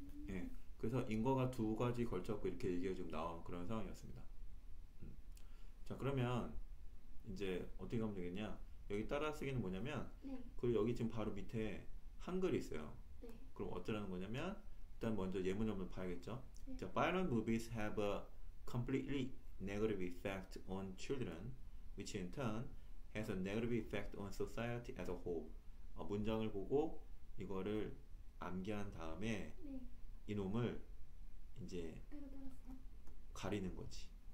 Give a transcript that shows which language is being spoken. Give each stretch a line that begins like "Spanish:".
Korean: 예. 그래서 인과가 두 가지 걸쳤고 이렇게 얘기가 지금 나온 그런 상황이었습니다. 자, 그러면 이제 어떻게 하면 되겠냐? 여기 따라 쓰기는 뭐냐면, 그리고 여기 지금 바로 밑에 한글이 있어요. 그럼 어쩌라는 거냐면, 일단 먼저 예문 한번 봐야겠죠?
English: 자, violent movies have a completely negative effect on children, which in turn has a negative effect on society as a whole.
Korean: 문장을 보고 이거를 암기한 다음에 이놈을 이제 가리는 거지.